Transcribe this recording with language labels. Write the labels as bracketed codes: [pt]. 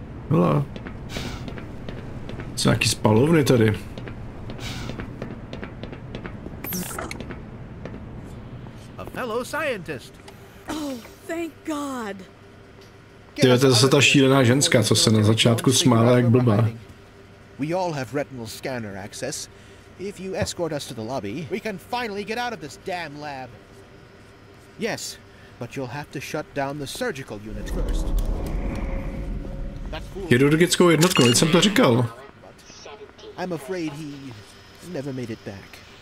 [cs] Hele. Jsou nějaký spalovny tady. [en] a fellow scientist. Oh, thank God. [cs] Ty, to je zase ta šílená ženská, co se na začátku smála jak blbá. [en] We all have retinal scanner access. If you escort us to the lobby, we can finally get out of this damn lab. Yes, but you'll have to shut down the surgical unit first. [cs] Chirurgickou jednotku, co jsem to říkal? [en] I'm afraid he never made it back.